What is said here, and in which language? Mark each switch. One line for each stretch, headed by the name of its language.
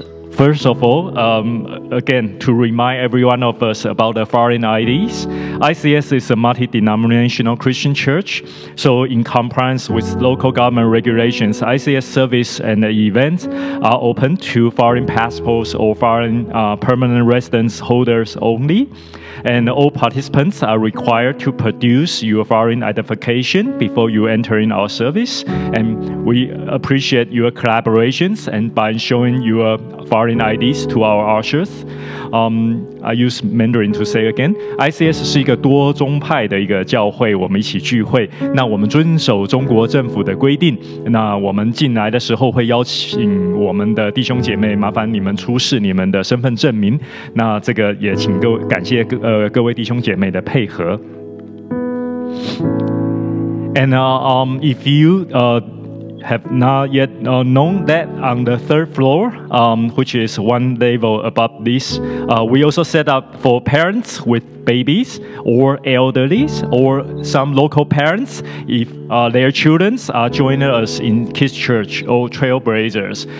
English: First of all, again, to remind every one of us about the foreign IDs, ICS is a multi-denominational Christian church, so in compliance with local government regulations, ICS service and events are open to foreign passports or foreign permanent residence holders only, and all participants are required to produce your foreign identification before you enter in our service, and we appreciate your collaborations and by showing your foreign IDs to our ushers. I use Mandarin to say again.
Chinese: ICS 是一个多宗派的一个教会，我们一起聚会。那我们遵守中国政府的规定。那我们进来的时候会邀请我们的弟兄姐妹，麻烦你们出示你们的身份证明。那这个也请各位感谢各位弟兄姐妹的配合。
English: And if you have not yet known that on the third floor, which is one level above this, we also set up for parents with babies or elderly or some local parents if their children are joining us in Kids Church or Trailblazers.